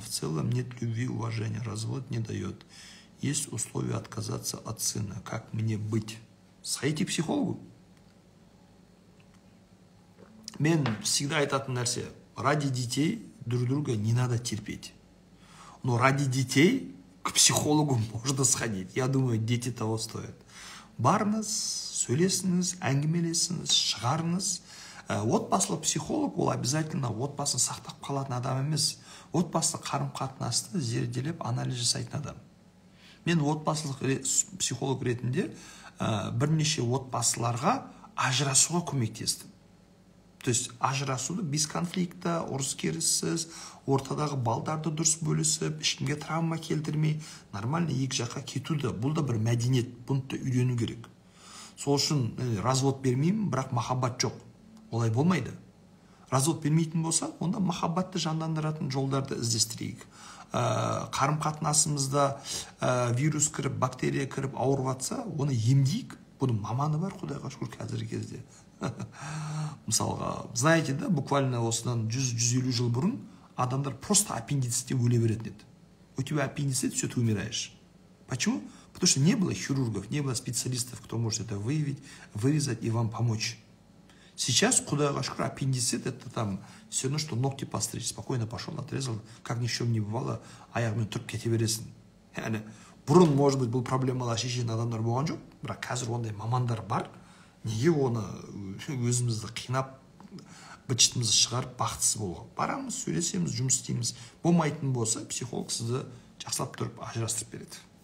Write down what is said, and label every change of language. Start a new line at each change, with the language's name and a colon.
Russian: В целом нет любви, уважения. Развод не дает. Есть условия отказаться от сына. Как мне быть? Сходите к психологу.
Kazakh: Мен всегда айтатын нәрсе.
Russian: Ради детей друг друга не надо терпеть. Но ради детей к психологу можно сходить. Я думаю, дети того стоят.
Kazakh: Барыңыз, сөйлесіңіз, әңгімелесіңіз, шығарыңыз. Отбасылы психолог ол обязательно отбасын сақтап қалатын адам емес. Отбасылы қарым-қатынасты зерделеп анализ жасайтын адам. Мен отбасылық психолог ретінде бірнеше отбасыларға ажырасуға көмектестім. То есть ажырасуды
Russian: без конфликта,
Kazakh: ұрыс-керіссіз, ортадағы балдарды дұрыс бөлісіп, ешкімге травма келтірмей, нормально екі жаққа кетуді. Бұл да бір мәдениет, бұны да үйрену керек. Сол үшін развод бермеймін, бірақ махаббат жоқ. Олай болмайды. Развод бермейтін болса, онда махаббатты жандандыратын жолдарды іздестірейік. Қарым-қатынасымызда вирус кіріп, бактерия кіріп, ауырып атса, оны емдейік. Бұның маманы бар, Құдайға шүкір қазіргі кезде. Мысалға,
Russian: знаете, да, буквально
Kazakh: осынан 100-150 жыл бұрын адамдар просто аппендицитте өле беретін еді.
Russian: У тебя аппендицит, все, ты умираешь. Почему? Потому что не было хирургов, не было специалистов, кто может это выявить, вырезать и вам помочь. Сейчас,
Kazakh: Құдайға шүкір,
Russian: аппендицит, это там все равно, что ногти постричь. Спокойно пошел, отрезал, как ни в чем не бывало,
Kazakh: аяғымен тұрып кете бересің. Яғни, бұрын, может быть, бұл проблемалар шешетін адамдар болған жоқ, бірақ қазір ондай мамандар бар. Неге оны өзімізді қинап, бұчытымызды шығарып, бақытсыз болуға? Барамыз, сөйлесеміз, жұмыс істейміз. Болмайтын болса, психолог сізді жақсылап тұрып, ажырастырып береді.